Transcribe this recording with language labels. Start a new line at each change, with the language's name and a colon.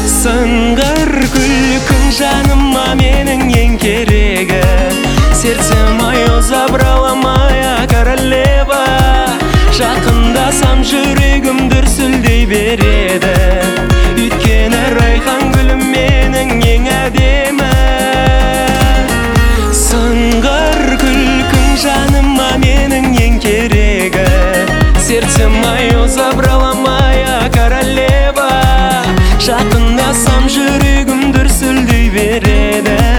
Kazakh: Сыңғыр күлкім жаныма менің ең керегі.
Russian: Сердце мое забрала моя королева.
Kazakh: Жақындасам жүрегім дүрсілдей береді. Өйткені райхан гүлім менің ең әдемі. Сыңғыр күлкім жаныма менің ең керегі.
Russian: Сердце мое забрала моя королева.
Kazakh: Жақындасам жүрегім дүрсілдей береді.